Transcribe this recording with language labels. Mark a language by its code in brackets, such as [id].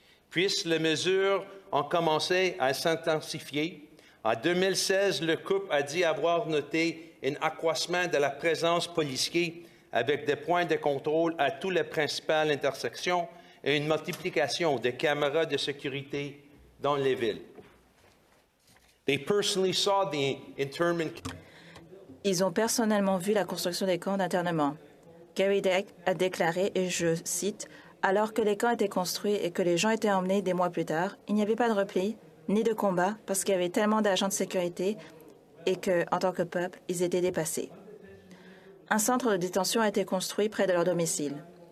[fr] Puis les mesures ont commencé à s'intensifier. En 2016, le couple a dit avoir noté un accroissement de la présence policière avec des points de contrôle à toutes les principales intersections et une multiplication des caméras de sécurité dans les villes. [en] They personally saw the internment. [fr] Ils ont personnellement vu la construction des camps d'internement. Gary Deck a déclaré, et je cite, « Alors que les camps étaient construits et que les gens étaient emmenés des mois plus tard, il n'y avait pas de repli ni de combat parce qu'il y avait tellement d'agents de sécurité et que, en tant que peuple, ils étaient dépassés. » Un centre de détention a été construit près de leur domicile.